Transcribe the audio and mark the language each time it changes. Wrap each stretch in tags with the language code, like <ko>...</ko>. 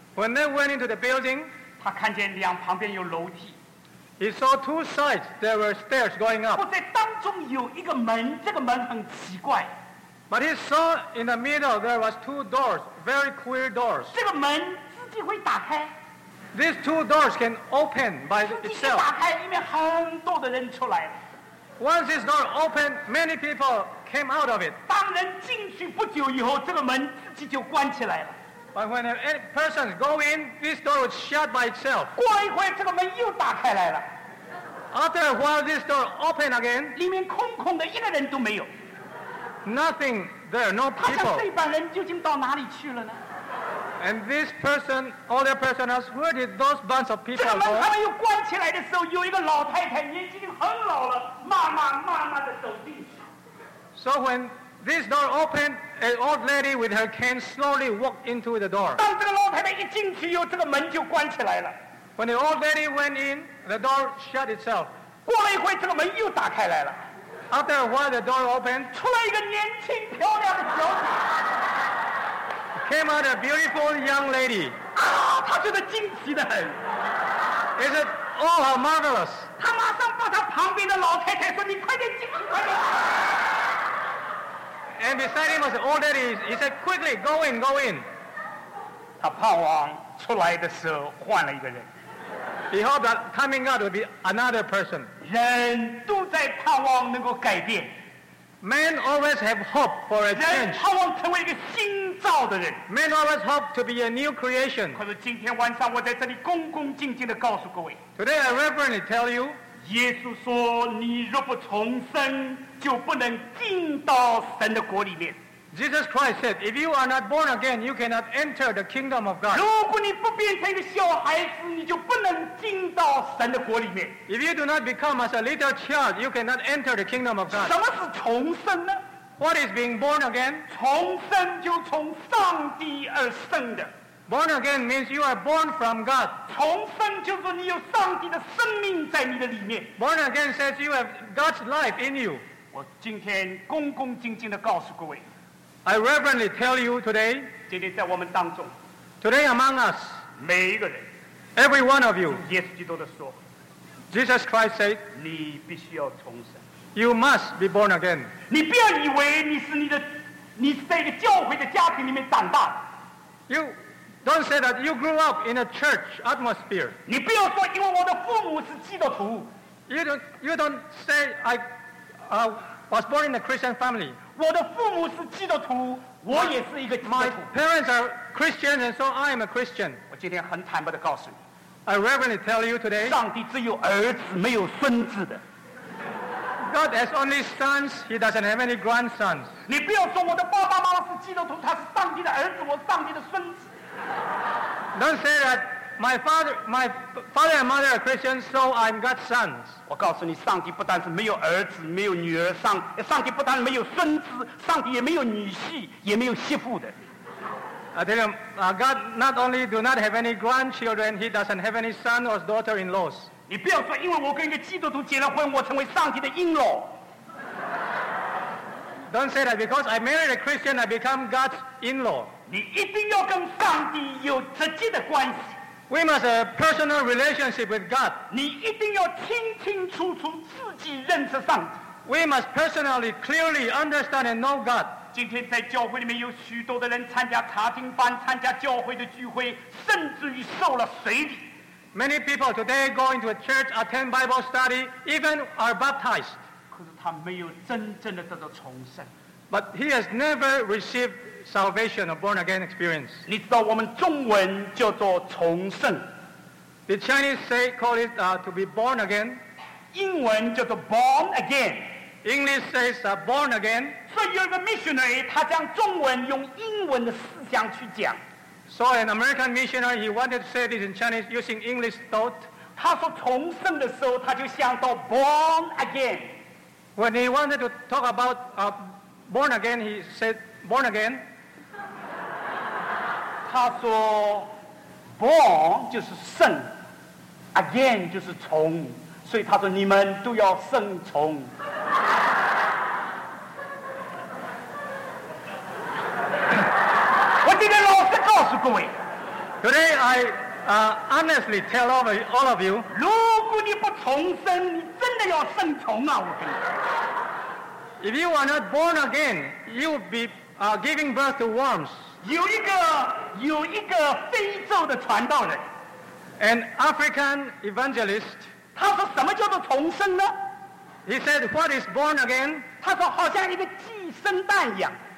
<en>When they went into the building,</en> <zh>他看见两旁边有楼梯。</zh> <en>He saw two sides. There were stairs going up.</en> <zh>我在当中有一个门，这个门很奇怪。</zh> <en>But he saw in the middle there was two doors, very queer doors.</en> <zh>这个门自己会打开。</zh> <en>These two doors can open by itself.</en> <zh>自己打开，里面很多的人出来。</zh> <en>Once this door opened, many people came out of it.</en> <zh>当人进去不久以后，这个门自己就关起来了。</zh> <en>But when any persons go in, this door would shut by itself.</en> <zh>过一会，这个门又打开来了。</zh> <en>After a while, this door opened again.</en> <zh>里面空空的，一个人都没有。</zh> <en>Nothing there, no people.</en> <zh>他想这帮人究竟到哪里去了呢？</zh> <en>And this person, all the person asked, where did those bunch of people go?</en> <zh>这个门他们又关起来的时候，有一个老太太，年纪已经很老了，慢慢的走进去。</zh> <en>So when this door opened, an old lady with her cane slowly walked into the door.</en> <zh>当这个老太太一进去，这个门就关起来了。</zh> <en>When the old lady went in, the door shut itself.</en> <zh>过了一会，这个门又打开来了。</zh> <en>After a while, the door opened.</en> <zh>出来一个年轻漂亮的小姐。</zh> <en>Came out a beautiful young lady.</en> <zh>她觉得惊奇得很。</zh> <en>He said, "Oh, how marvelous!"</en> <zh>她马上把她旁边的老太太说：“你快点进去，快点。”</zh> <en>And beside him was an old lady. He said, "Quickly, go in, go in."</en> <zh>她盼望出来的时候换了一个人。</zh> <en>Behold that coming out will be another person.</en> <zh>人都在盼望能够改变。</zh> <en>Men always have hope for a change.</en> <zh>人盼望成为一个新造的人。</zh> <en>Men always hope to be a new creation.</en> <zh>可是今天晚上我在这里恭恭敬敬地告诉各位。</zh> <en>Today I reverently tell you.</en> <zh>耶稣说你若不重生就不能进到神的国里面。</zh> <en>Jesus Christ said, if you are not born again, you cannot enter the kingdom of God.</en> <zh>如果你不变成一个小孩子，你就不能进到神的国里面。</zh> <en>If you do not become as a little child, you cannot enter the kingdom of God.</en> <zh>什么是重生呢？</zh> <en>What is being born again?</en> <zh>重生就从上帝而生的。</zh> <en>Born again means you are born from God.</en> <zh>重生就是你有上帝的生命在你的里面。</zh> <en>Born again says you have God's life in you.</en> <zh>我今天恭恭敬敬地告诉各位。</zh> <en>I reverently tell you today,</en> <zh>今天在我们当中,</zh> <en>today among us,</en> <zh>每一个人,</zh> <en>every one of you,</en> <zh>主耶稣基督地说,</zh> <en>Jesus Christ said,</en> <zh>你必须要重生,</zh> <en>you must be born again.</en> <zh>你不要以为你是你的, 你是在一个教会的家庭里面长大,</zh> <en>you don't say that you grew up in a church atmosphere.</en> <zh>你不要说因为我的父母是基督徒,</zh> <en>you don't say I was born in a Christian family.</en> <zh>我的父母是基督徒，我也是一个基督徒。</zh> <en>My parents are Christians, and so I am a Christian.</en> <zh>我今天很坦白地告诉你</zh> <en>，I reverently tell you today，</en> <zh>上帝只有儿子，没有孙子的。</zh> <en>God has only sons; He doesn't have any grandsons.</en> <zh>你不要说我的爸爸妈妈是基督徒，他是上帝的儿子，我是上帝的孙子。</zh> <en>Don't say that my father and mother are Christians, so I'm God's sons.</en> <zh>我告诉你，上帝不但是没有儿子，没有女儿，上帝不但没有孙子，上帝也没有女婿，也没有媳妇的。</zh> <en>I tell you, God not only do not have any grandchildren, He doesn't have any son or daughter-in-laws.</en> <zh>你不要说，因为我跟一个基督徒结了婚，我成为上帝的</zh> <en>in-law. Don't say that because I married a Christian, I become God's in-law.</en> <zh>你一定要跟上帝有直接的关系。</zh> <en>We must have a personal relationship with God.</en> <zh>你一定要清清楚楚自己认识上帝。</zh> <en>We must personally, clearly understand and know God.</en> <zh>今天在教会里面有许多的人参加查经班，参加教会的聚会，甚至于受了洗礼。</zh> <en>Many people today go into a church, attend Bible study, even are baptized.</en> <zh>可是他没有真正的得到重生。</zh> <en>But he has never received salvation or born again experience.</en> <zh>你知道我们中文叫做重生。</zh> <en>The Chinese say call it to be born again.</en> <zh>英文叫做</zh> <en>born again. English says born again.</en> <zh>所以有一个 missionary 他将中文用英文的思想去讲。</zh> <en>So an American missionary he wanted to say this in Chinese using English thought.</en> <zh>他说重生的时候他就想到</zh> <en>born again. When he wanted to talk about born again, he said, born again.</en> <zh>他说</zh> <en>born</en> <zh>就是生</zh> <en>again</en> <zh>就是从所以他说你们都要生从我今天老实告诉各位</zh> <en>Today I honestly tell all of you</en> <zh>如果你不重生你真的要生从啊我跟你</zh> <en>If you are not born again, you will be giving birth to worms.</en> <zh>有一个非洲的传道人</zh> <en>An African evangelist.</en> <zh>他说什么叫做重生呢</zh> <en>He said, what is born again?</en> <zh>他说好像一个鸡生蛋一样</zh>